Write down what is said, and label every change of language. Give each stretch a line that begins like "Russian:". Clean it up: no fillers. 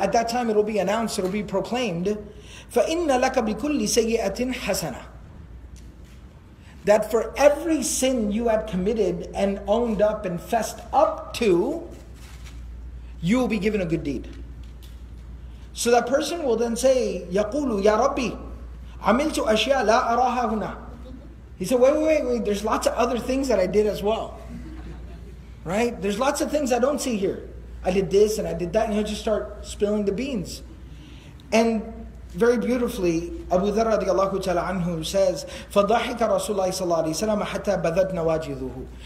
English: At that time it'll be announced, it'll be proclaimed.
Arabic: فَإِنَّ لَكَ بِكُلِّ سَيِّئَةٍ حَسَنَةً.
English: That for every sin you had committed and owned up and fessed up to, you will be given a good deed. So that person will then say,
Arabic: يَقُولُ يَا رَبِّ عَمِلْتُ أَشْيَا لَا أَرَاهَا هُنَا.
English: He said, wait, there's lots of other things that I did as well. Right? There's lots of things I don't see here. I did this and I did that, and he'll just start spilling the beans. And very beautifully, Abu Dharr radiallahu ta'ala anhu says,
Arabic: فَضَحِكَ رَسُولَ اللَّهِ صَلَّى اللَّهِ سَلَّمَ حَتَّى بَذَتْ نَوَاجِذُهُ.